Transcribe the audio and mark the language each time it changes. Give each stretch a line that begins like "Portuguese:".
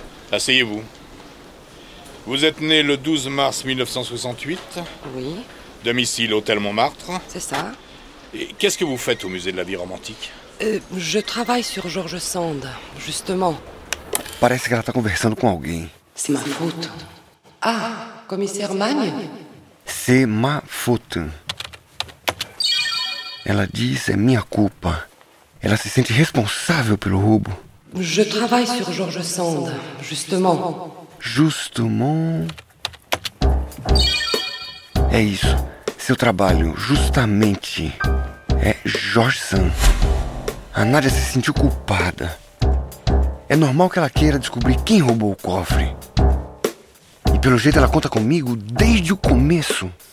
French: Asseyez-vous. Vous êtes née le 12 mars 1968. Oui. Domicile, hôtel Montmartre. C'est ça. Et qu'est-ce que vous faites au musée de la vie romantique? Je travaille sur George Sand, justement.
Portuguese: Parece que ela está conversando com alguém.
French: C'est ma faute. Ah, commissaire Magne? C'est ma faute.
Portuguese: Ela diz, é minha culpa. Ela se sente responsável pelo roubo.
French: Je travaille sur George Sand, justement. Justement...
Portuguese: É isso. Seu trabalho, justamente, é George Sand. A Nadia se sentiu culpada. É normal que ela queira descobrir quem roubou o cofre. E pelo jeito ela conta comigo desde o começo.